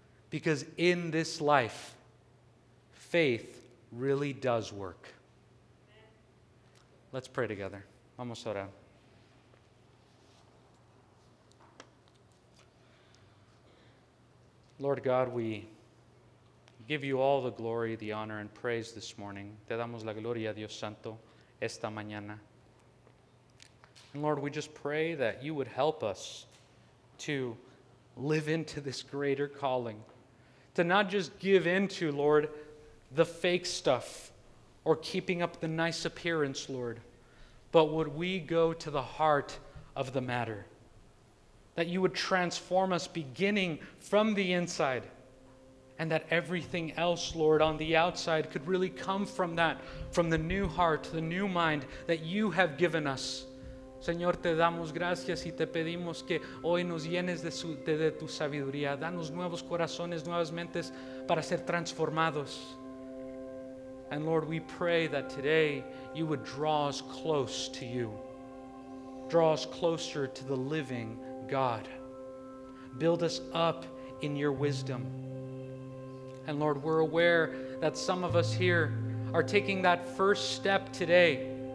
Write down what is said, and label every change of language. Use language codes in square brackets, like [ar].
[en] Because in this life, faith really does work. Let's pray together. [es] Vamos a orar. [en] Lord God, we give you all the glory, the honor, and praise this morning. [es] Te damos la gloria, Dios Santo, esta mañana. [en] And Lord, we just pray that you would help us to live into this greater calling, to not just give into, Lord, the fake stuff or keeping up the nice appearance, Lord, but would we go to the heart of the matter, that you would transform us beginning from the inside, and that everything else, Lord, on the outside could really come from that, from the new heart, the new mind that you have given us. [es] Señor, te damos gracias y te pedimos que hoy nos llenes de tu sabiduría. Danos nuevos corazones, nuevas mentes para ser transformados. [en] And Lord, we pray that today you would draw us close to you. Draw us closer to the living God. Build us up in your wisdom. And Lord, we're aware that some of us here are taking that first step today.